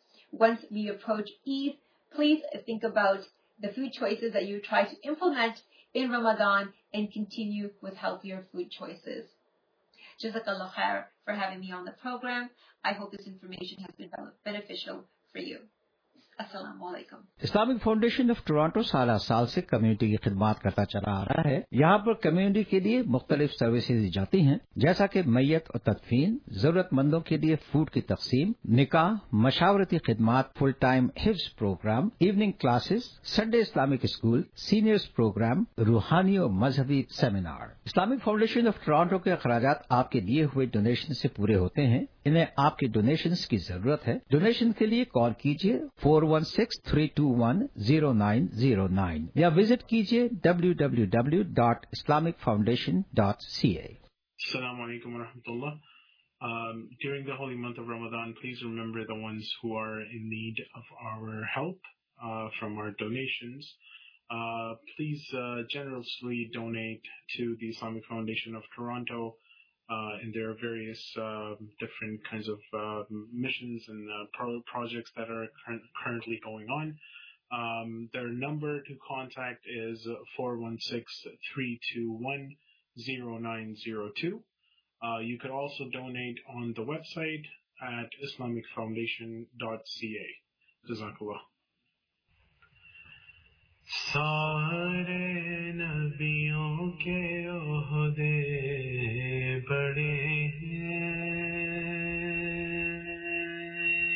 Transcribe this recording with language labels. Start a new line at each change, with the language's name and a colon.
English: Once we approach Eid, please think about the food choices that you try to implement in Ramadan and continue with healthier food choices. Jazakallah khair for having me on the program. I hope this information has been beneficial for you.
Arabic: Assalamualaikum.
Urdu: Islamic Foundation of Toronto سالہ سال سے community کی خدمات کرتا چلا آ رہا ہے. یہاں پر کمیونٹی کے لیے مختلف سروسز دی جاتی ہیں، جیسا کہ میت اور تدفین، ضرورت مندوں کے لیے فوڈ کی تقسیم، نکاح، مشاورتی خدمات، فل ٹائم حفظ programme, evening classes, Sunday Islamic school, seniors programme, روحانی اور مذہبی seminar. Islamic foundation of Toronto کے اخراجات آپ کے لیے ہوئے ڈونیشن سے پورے ہوتے ہیں. انہیں آپ کے ڈونیشنز کی ضرورت ہے. ڈونیشن کے لیے کال کیجیے 416-321-0909 یا وزٹ کیجیے www.islamicfoundation.ca.
Arabic: السلام علیکم و رحمۃ اللہ.
English: During the holy month of Ramadan, please remember the ones who are in need of our help from our donations. Please generously donate to the Islamic Foundation of Toronto and there are various different kinds of missions and projects that are currently going on. Their number to contact is 416-321-0902. You could also donate on the website at islamicfoundation.ca.
Arabic: Jazakallah.
Urdu: سارے نبیوں کے عہدے بڑے ہیں،